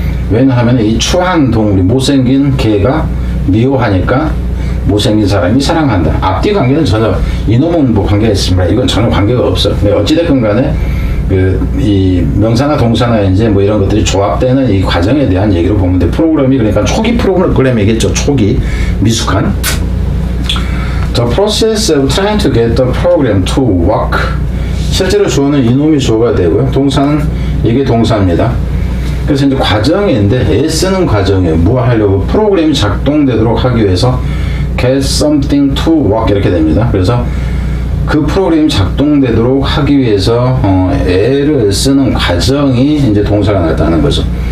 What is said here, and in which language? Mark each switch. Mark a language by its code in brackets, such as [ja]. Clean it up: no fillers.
[ko] 왜냐하면 이 추한 동물이 못생긴 개가 미워하니까 못생긴 사람이 사랑한다. 앞뒤 관계는 전혀 이놈은 뭐 관계가 있습니다. 이건 전혀 관계가 없어. 어찌됐건 간에 그 이 명사나 동사나 이제 뭐 이런 것들이 조합되는 이 과정에 대한 얘기로 보면 돼. 프로그램이 그러니까 초기 프로그램이겠죠. 초기 미숙한 [en] The process of trying to get the program to work. [ko] 실제로 주어는 이놈이 주어가 되고요. 동사는 이게 동사입니다. 그래서 이제 과정인데 애쓰는 과정이에요. 뭐 하려고 프로그램이 작동되도록 하기 위해서 get something to work 이렇게 됩니다. 그래서 그 프로그램이 작동되도록 하기 위해서 애를 쓰는 과정이 이제 동사가 나왔다는 거죠.